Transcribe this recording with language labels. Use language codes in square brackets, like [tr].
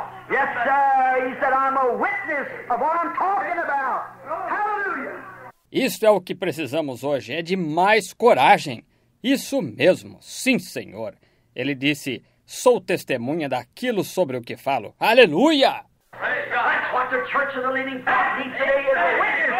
[en] Yes, sir. He said, I'm a witness of what I'm talking about. Hallelujah. [pt] Isso é o que precisamos hoje. É de mais coragem. Isso mesmo. Sim, Senhor. Ele disse, sou testemunha daquilo sobre o que falo. Aleluia. [en] That's what the Church of the Living God needs today is a witness.